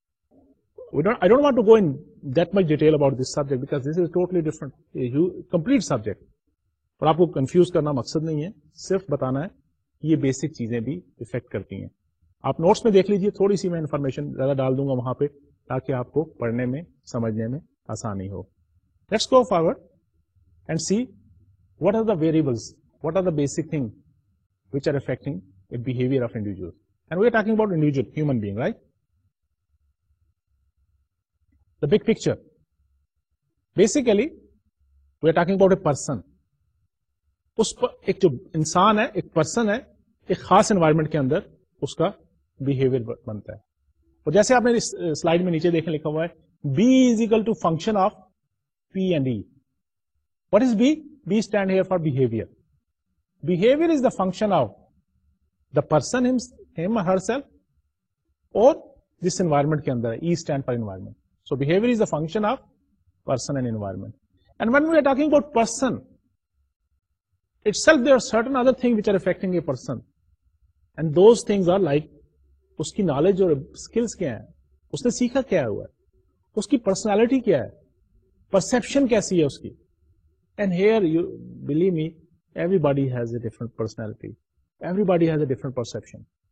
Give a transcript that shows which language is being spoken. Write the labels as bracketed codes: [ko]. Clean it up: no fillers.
[en] I don't want to go in that much detail about this subject, because this is totally different complete subject. [ur] پر آپ کو confuse کرنا مقصد نہیں ہے, صرف بتانا ہے یہ بیسک چیزیں بھی افیکٹ کرتی ہیں. آپ نوٹس میں دیکھ لیجئے, تھوڑی سی میں انفارمیشن زیادہ ڈال دوں گا وہاں پہ تاکہ آپ کو پڑھنے میں, سمجھنے میں آسانی ہو. [en] Let's go forward and see what are the variables, what are the basic thing which are affecting a behaviour of individual. And we are talking about individual human being, right? The big picture, basically we are talking about a person. [ur] اس پر ایک جو انسان ہے, ایک person ہے, ایک خاص environment کے اندر اس کا بیہیویئر بنتا ہے. اور جیسے آپ نے اس سلائیڈ میں نیچے دیکھیں لکھا ہوا ہے, [en] B is equal to function of P and E. What is B? B stand here for behaviour. Behaviour is the function of the person him her self [ur] اور دس انوائرمنٹ کے اندر. [en] E stand for environment. So behaviour is the function of person and environment. And when we are talking about person itself, there are certain other thing which are affecting a person. And those things are like, [ur] اس کی knowledge اور skills کیا ہیں, اس نے سیکھا کیا ہوا ہے, اس کی پرسنالٹی کیا ہے, پرسپشن کیسی ہے اس کی. [en] And here you believe me everybody has a different personality, everybody has a different perception.